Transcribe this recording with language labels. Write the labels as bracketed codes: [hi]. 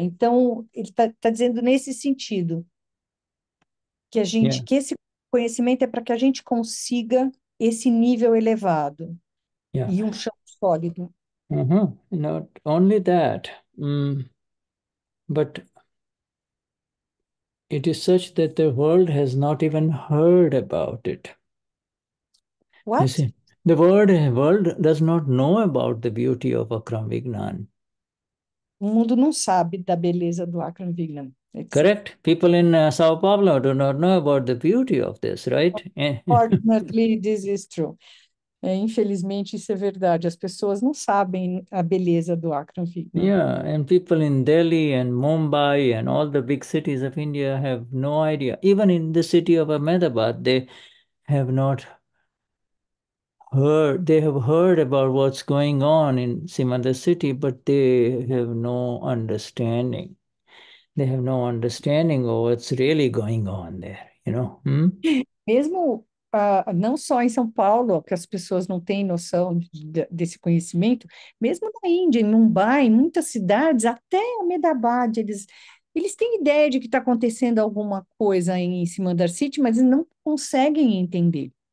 [pt] Então, ele tá dizendo nesse sentido, que esse conhecimento é para que a gente consiga esse nível elevado e um chão sólido. [en] Not only that, but it is such that the world has not even heard about it. What? You see, the world does not know about the beauty of Akram Vignan. [pt] O mundo não sabe da beleza do Akram Vignan. [en] Correct. People in Sao Paulo do not know about the beauty of this, right? Unfortunately, this is true. [pt] É, infelizmente, isso é verdade. As pessoas não sabem a beleza do Akram Vignan. [en] Yeah, and people in Delhi and Mumbai and all the big cities of India have no idea. Even in the city of Ahmedabad, they have not heard. They have heard about what's going on in Simanda city, but they have no understanding. They have no understanding of what's really going on there, you know? [pt] Mesmo não só em São Paulo, que as pessoas não têm noção desse conhecimento, mesmo na Índia, em Mumbai, em muitas cidades, até Ahmedabad, eles têm ideia de que está acontecendo alguma coisa em Simandar City, mas não conseguem entender.